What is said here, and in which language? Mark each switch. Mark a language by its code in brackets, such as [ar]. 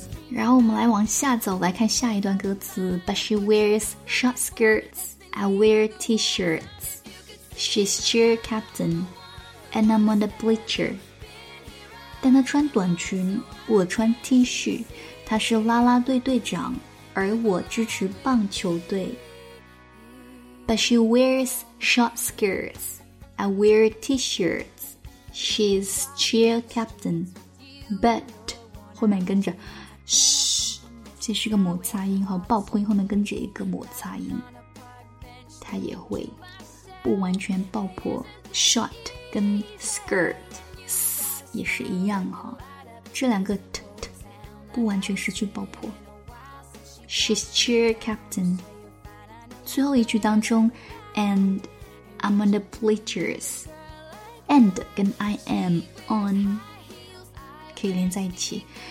[zh] 然后我们来往下走，来看下一段歌词。 [en] But she wears short skirts, I wear t-shirts. She's cheer captain, and I'm on the bleacher. [zh] 但她穿短裙，我穿 T 恤，她是啦啦队队长，而我支持棒球队。 [en] But she wears short skirts, I wear t-shirts. She's cheer captain. [zh] But 后面跟着嘘，这是个摩擦音哈，爆破音后面跟着一个摩擦音，它也会不完全爆破。 Short 跟 skirt 也是一样哈，这两个 t 不完全失去爆破。 [en] She's cheer captain。 [zh] 最后一句当中 ， [en] and I'm on the bleachers， [zh] and 跟 I am on 可以连在一起。